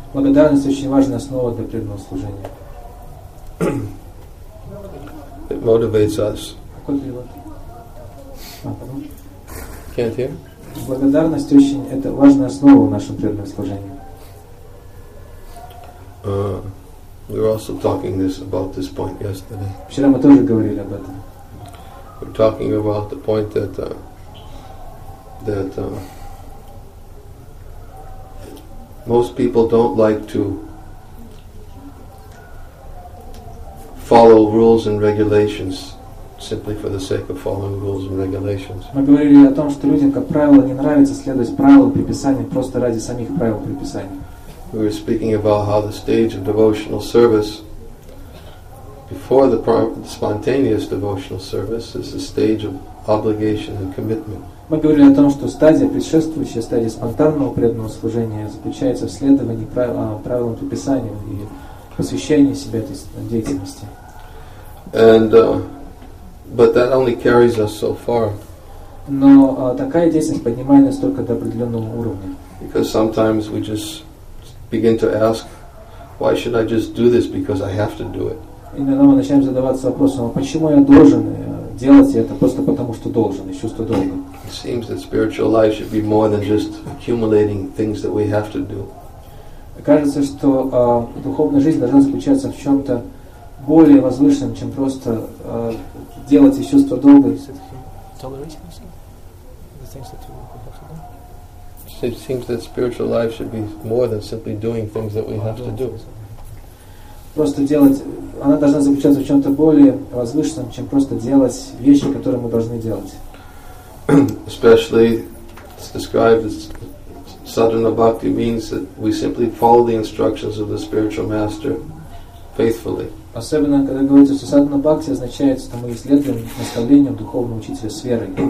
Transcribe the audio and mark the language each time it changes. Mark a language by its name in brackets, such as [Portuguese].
[Russian] Благодарность очень важная основа для преданного служения. [English] It motivates us. Can't hear? [Russian] Благодарность очень это важная основа в нашем преданном служении. [English] We were also talking this about this point yesterday. [Russian] Вчера мы тоже говорили об этом. [English] We're talking about the point that that most people don't like to follow rules and regulations simply for the sake of following rules and regulations. [Russian] Мы говорили о том, что людям, как правило, не нравится следовать правилам приписания просто ради самих правил приписания. [English] We were speaking about how the stage of devotional service before the spontaneous devotional service is the stage of obligation and commitment. [Russian] Мы говорили о том, что стадия предшествующая стадия спонтанного преданного служения заключается в следовании правилам приписания и посвящении себя этой деятельности. [English] And but that only carries us so far. [Russian] Но такая деятельность поднимает нас только до определенного уровня. [English] Because sometimes we just begin to ask, why should I just do this because I have to do it? [Russian] Иногда мы начинаем задаваться вопросом, а почему я должен делать это просто потому что должен, из чувства долга? [English] It seems that spiritual life should be more than just accumulating things that we have to do. [Russian] Кажется, что духовная жизнь должна заключаться в чем-то более возвышенном, чем просто делать из чувства долга. [English] It seems that spiritual life should be more than simply doing things that we have to do. [Russian] Просто делать, она должна заключаться в чем-то более возвышенном, чем просто делать вещи, которые мы должны делать. [English] Especially, it's described as sadhana bhakti means that we simply follow the instructions of the spiritual master faithfully. [Russian] Особенно, когда говорится, что sadhana bhakti означает, что мы следуем наставлениям духовного учителя с верой.